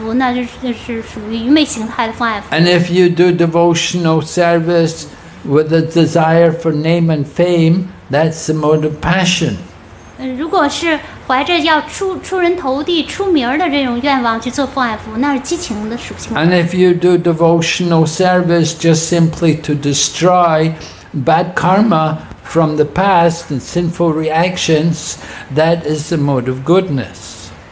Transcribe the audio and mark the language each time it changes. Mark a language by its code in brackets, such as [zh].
[zh] 懒惰的，就是肮脏的，去做奉爱服务，那就是属于愚昧形态的奉爱服务。 [en] And if you do devotional service with a desire for name and fame, that's the mode of passion. [zh] 如果是怀着要出人头地、出名的这种愿望去做奉爱服务，那是激情的属性。 [en] And if you do devotional service just simply to destroy bad karma from the past and sinful reactions, that is the mode of goodness.